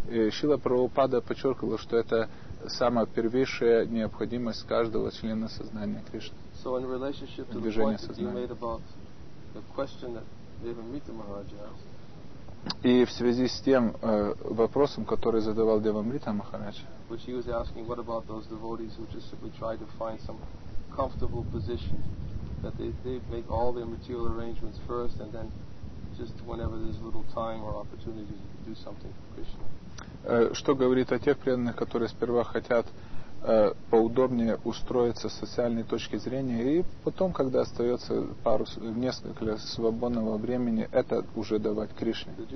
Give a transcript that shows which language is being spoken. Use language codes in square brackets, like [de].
[ru] Шрила Прабхупада подчеркивал, что это самая первейшая необходимость каждого члена сознания Кришны. [en] So in relationship to the point that you made about the question that Devamrita Maharaja asked. [ru] И в связи с тем вопросом, который задавал Девамрита Махарадж, [en] which he was asking, what about those devotees who just simply try to find some comfortable position, that they make all their material arrangements first, and then just whenever there's little time or opportunity to do something for Krishna. [ru] Что говорит о тех преданных, которые сперва хотят поудобнее устроиться с социальной точки зрения, и потом, когда остается пару, несколько свободного времени, это уже давать Кришне.